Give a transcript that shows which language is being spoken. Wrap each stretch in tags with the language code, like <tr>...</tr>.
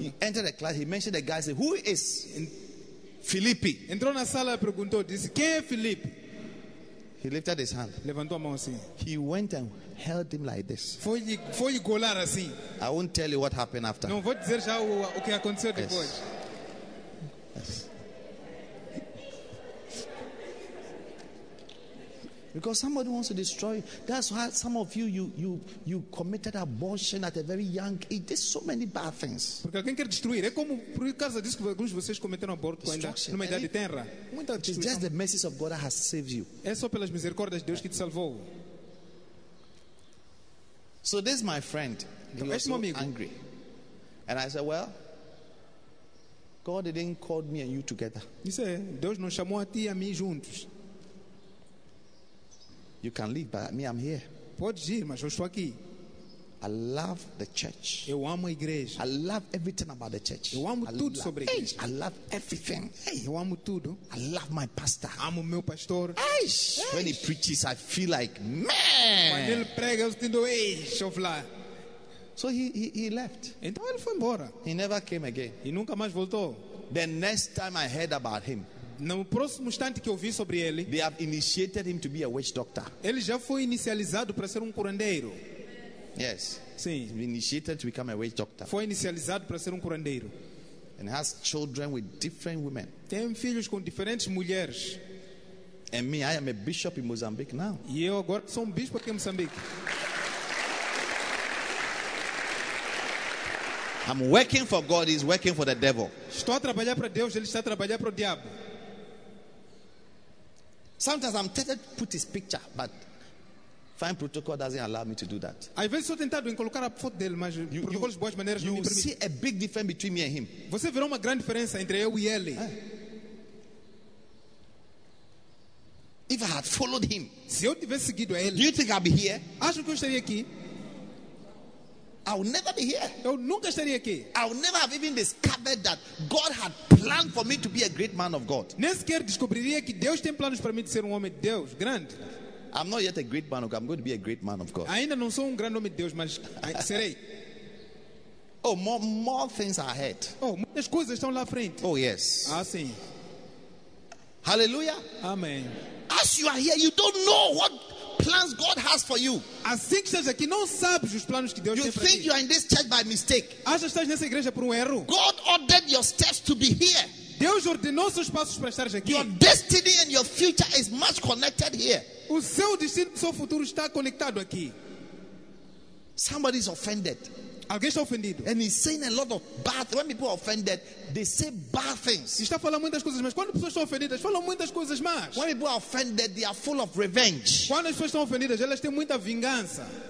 <en>He entered a class, he mentioned the guy, said, who is Felipe?</en> <pt>Entrou na sala e perguntou, disse, quem é Felipe?</pt> <en>He lifted his hand.</en> <pt>Levantou a mão assim.</pt> <en>He went and held him like this.</en> <pt>Foi golar assim.</pt> <en>I won't tell you what happened after.</en> <pt>Não vou dizer já o que aconteceu depois.</pt> <en>Yes. Because somebody wants to destroy you. That's why some of you committed abortion at a very young age. There's so many bad things.</en> <pt>Porque alguém quer destruir. É como por causa disso que alguns de vocês cometeram aborto ainda numa idade tenra. Muita destruição.</pt> <en>It's just the mercies of God that has saved you.</en> <pt>É só pelas misericórdias de Deus que te salvou.</pt> <en>So this is my friend.</en> <pt>Então,</pt> <en>he was so angry. And I said, well, God didn't call me and you together.</en> <pt>Isso é, Deus nos chamou a ti e a mim juntos.</pt> <en>You can leave, but me, I'm here.</en> <pt>Pode ir, mas eu estou aqui.</pt> <en>I love the church.</en> <pt>Eu amo a igreja.</pt> <en>I love everything about the church.</en> <pt>Eu amo tudo sobre a igreja.</pt> <en>I love everything.</en> <pt>Eu amo tudo.</pt> <en>I love my pastor.</en> <pt>Amo meu pastor.</pt> <en>When he preaches, I feel like, man.</en> <pt>Quando ele prega, eu sinto, ei, chofla.</pt> <en>So he left.</en> <pt>Então ele foi embora.</pt> <en>He never came again.</en> <pt>E nunca mais voltou.</pt> <en>The next time I heard about him.</en> <pt>No próximo instante que eu vi sobre ele.</pt> <en>They have initiated him to be a witch doctor.</en> <pt>Ele já foi inicializado para ser curandeiro.</pt> <en>Yes.</en> <pt>Sim.</pt> <en>Initiated to become a witch doctor.</en> <pt>Foi inicializado para ser curandeiro.</pt> <en>And has children with different women.</en> <pt>Tem filhos com diferentes mulheres.</pt> <en>And me, I am a bishop in Mozambique now.</en> <pt>E eu agora sou bispo aqui em Moçambique.</pt> <en>I'm working for God, he's working for the devil.</en> <pt>Estou a trabalhar para Deus, ele está a trabalhar para o diabo.</pt> <en>Sometimes I'm tempted to put his picture, but fine protocol doesn't allow me to do that.</en> <pt>Às vezes sou tentado em colocar a foto dele, mas protocolos de boas maneiras não me permite.</pt> <en>You see a big difference between me and him.</en> <pt>Você verá uma grande diferença entre eu e ele.</pt> <en>If I had followed him,</en> <pt>se eu tivesse seguido a ele,</pt> <en>do you think I'd be here?</en> <pt>Acho que eu estaria aqui.</pt> <en>I will never be here.</en> <pt>Eu nunca estaria aqui.</pt> <en>I will never have even discovered that God had planned for me to be a great man of God.</en> <pt>Nem sequer descobriria que Deus tem planos para mim de ser homem de Deus, grande.</pt> <en>I'm not yet a great man of God. I'm going to be a great man of God.</en> <pt>Ainda não sou grande homem de Deus, mas serei.</pt> <en>Oh, more things are ahead.</en> <pt>Oh, muitas coisas estão lá à frente.</pt> <en>Oh, yes.</en> <pt>Ah, sim.</pt> <en>Hallelujah.</en> <pt>Amém.</pt> <en>As you are here, you don't know what plans God has for you.</en> <pt>Assim que estás aqui, não sabes os planos que Deus</pt> <en>you</en> <pt>tem para</pt> <en>think</en> <pt>ti.</pt> <en>You are in this church by mistake.</en> <pt>Acha que estás nessa igreja por erro.</pt> <en>God ordered your steps to be here.</en> <pt>Deus ordenou seus passos para estar aqui.</pt> <en>Your destiny and your future is much connected here.</en> <pt>O seu destino e seu futuro está conectado aqui.</pt> <en>Somebody is offended.</en> <pt>Alguém está ofendido.</pt> <en>And he's saying a lot of bad things. When people are offended, they say bad things.</en> <pt>Está falando muitas coisas, mas quando pessoas estão ofendidas, falam muitas coisas más.</pt> <en>When people are offended, they are full of revenge.</en> <pt>Quando as pessoas estão ofendidas, elas têm muita vingança.</pt>